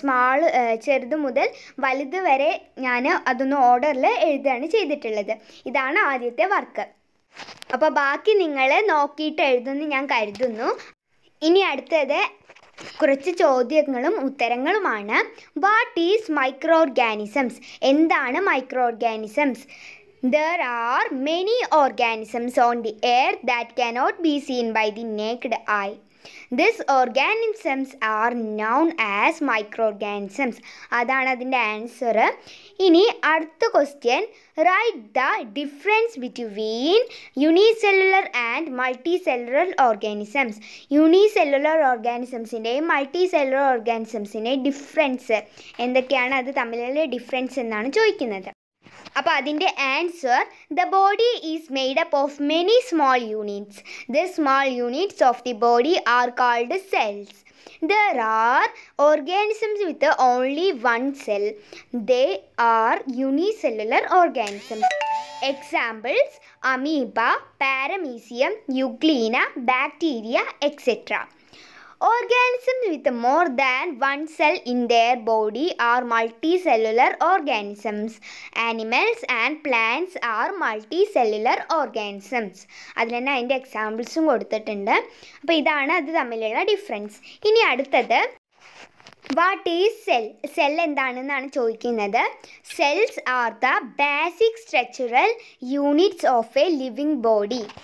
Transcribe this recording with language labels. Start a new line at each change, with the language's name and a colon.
Malayalam: Small ചെറുത് മുതൽ വലുത് വരെ ഞാൻ അതൊന്ന് ഓർഡറിൽ എഴുതുകയാണ് ചെയ്തിട്ടുള്ളത്. ഇതാണ് ആദ്യത്തെ വർക്ക്. അപ്പോൾ ബാക്കി നിങ്ങൾ നോക്കിയിട്ട് എഴുതുമെന്ന് ഞാൻ കരുതുന്നു. ഇനി അടുത്തത് കുറച്ച് ചോദ്യങ്ങളും ഉത്തരങ്ങളുമാണ്.
English: What is microorganisms?
Malayalam: എന്താണ് മൈക്രോഓർഗാനിസംസ്?
English: There are many organisms on the air that cannot be seen by the naked eye. These organisms are known as microorganisms.
Malayalam: അതാണ് അതിൻ്റെ ആൻസർ. ഇനി അടുത്ത
English: Question, write the difference between unicellular and multicellular organisms.
Malayalam: Unicellular ഓർഗാനിസംസിൻ്റെയും multi cellular ഓർഗാനിസംസിൻ്റെയും difference എന്തൊക്കെയാണ്, അത് തമ്മിലുള്ള difference എന്നാണ് ചോദിക്കുന്നത്. അപ്പോൾ അതിൻ്റെ
English: Answer, the body is made up of many small units. The small units of the body are called cells. There are organisms with only one cell. They are unicellular organisms. Examples, amoeba, paramecium, euglena, bacteria etcetera. Organisms with more than one cell in their body are multicellular organisms. Animals and plants are multicellular organisms.
Malayalam: അതിലന്നെ അതിൻ്റെ എക്സാമ്പിൾസും കൊടുത്തിട്ടുണ്ട്. അപ്പോൾ ഇതാണ് അത് തമ്മിലുള്ള difference. ഇനി അടുത്തത്,
English: What is cell?
Malayalam: Cell എന്താണെന്നാണ് ചോദിക്കുന്നത്.
English: Cells are the basic structural units of a living body.